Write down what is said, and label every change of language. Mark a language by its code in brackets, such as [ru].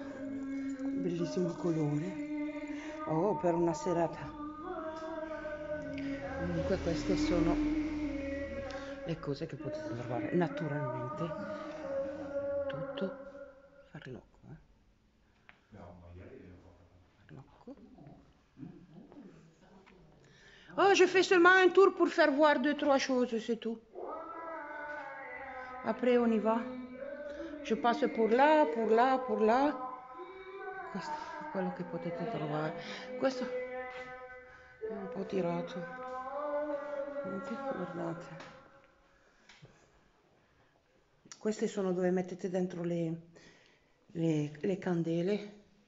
[it] Bellissimo colore, oh, per una serata, comunque queste sono le cose che potete trovare, naturalmente. Tutto farlocco, farlocco. [fr] Oh, j'ai fait seulement un tour pour faire voir deux trois choses, c'est tout. Après on y va. Je passe pour là, pour là, pour là. [it] Questo è quello che potete trovare. Questo è un po' tirato. Guardate. Queste sono dove mettete dentro le candele.